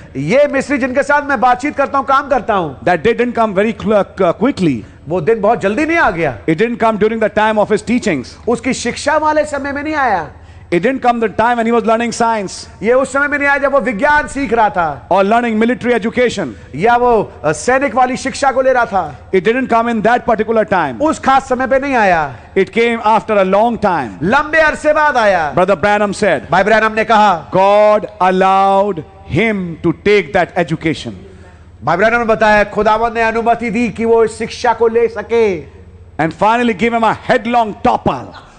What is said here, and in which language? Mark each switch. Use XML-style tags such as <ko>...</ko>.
<hi>ये मिस्री जिनके साथ मैं बातचीत करता हूँ, काम करता हूँ.</hi> <en>That day didn't come very quickly.</en> <hi>वो दिन बहुत जल्दी नहीं आ गया.</hi> <en>It didn't come during the time of his teachings.</en> <hi>उसकी शिक्षा वाले समय में नहीं आया.</hi> <en>It didn't come the time when he was learning science.</en> <hi>ये उस समय में नहीं आया जब वो विज्ञान सीख रहा था.</hi> <en>Or learning military education.</en> <hi>या वो सैनिक वाली शिक्षा को ले रहा था.</hi> <en>It didn't come in that particular time.</en> <hi>उस खास समय पे नहीं आया.</hi> <en>It came after a long time.</en> <hi>लंबे अरसे बाद आया.</hi> <en>Brother Branham said.</en> <hi>भाई ब्रैनम ने कहा.</hi> <en>God allowed him to take that education.</en> <hi>भाई ब्रैनम ने बताया खुदावंद ने अनुमति दी कि वो इस शिक्षा को ले सके.</hi> <en>And finally gave him a headlong topple.</en>